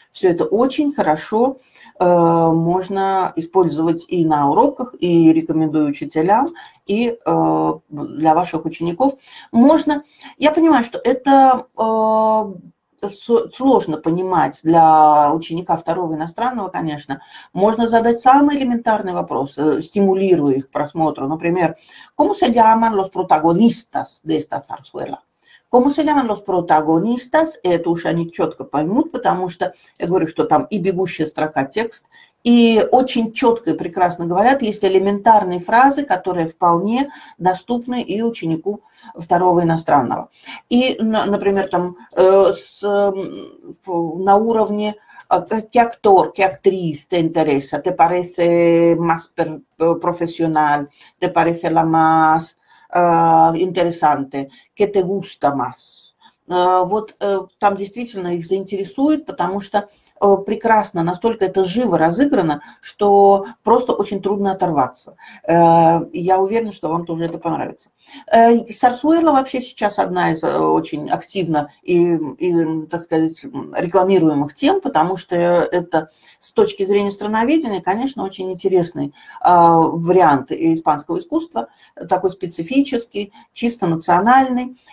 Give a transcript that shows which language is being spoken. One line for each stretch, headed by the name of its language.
Russian: Все это очень хорошо можно использовать и на уроках, и рекомендую учителям, и для ваших учеников. Можно, я понимаю, что это сложно понимать для ученика второго иностранного, конечно. Можно задать самые элементарные вопросы, стимулируя их к просмотру.
Spanish: Например, «Cómo se llaman los protagonistas de esta zarzuela?» «Cómo se llaman los protagonistas?»
Russian: Это уж они четко поймут, потому что я говорю, что там и бегущая строка текст, и очень четко и прекрасно говорят, есть элементарные фразы, которые вполне доступны и ученику второго иностранного.
Spanish: И, например, там на уровне «Qué actor, qué actriz te interesa? ¿Te parece más profesional? ¿Te parece la más interesante?
Russian: ¿Qué te gusta más?» Вот там действительно их заинтересует, потому что прекрасно, настолько это живо разыграно, что просто очень трудно оторваться. Я уверена, что вам тоже это понравится. Сарсуэлла вообще сейчас одна из очень активно и, так сказать, рекламируемых тем, потому что это с точки зрения страноведения, конечно, очень интересный вариант испанского искусства, такой специфический, чисто национальный.